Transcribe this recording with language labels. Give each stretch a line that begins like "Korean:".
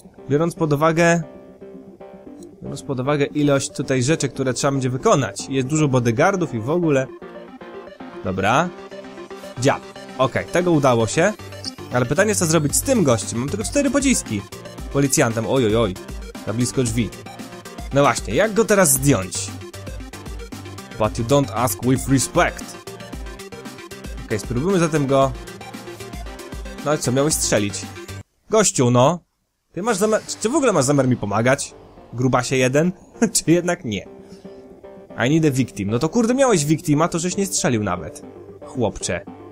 Polish: Biorąc pod uwagę ilość tutaj rzeczy, które trzeba będzie wykonać. Jest dużo bodyguardów i w ogóle... Dobra. Dziab. Okej, okay, tego udało się. Ale pytanie, co zrobić z tym gościem? Mam tylko 4 pociski. Policjantem, oj. Za blisko drzwi. No właśnie, jak go teraz zdjąć?
English: But you don't ask with respect.
Polish: Okej, okay, spróbujmy zatem go... No i co, miałeś strzelić? Gościu, no. Ty masz zamiar... Czy w ogóle masz zamiar mi pomagać? Grubasie jeden? Czy jednak nie?
English: I need a victim.
Polish: No to kurde, miałeś victima, to żeś nie strzelił nawet. Chłopcze.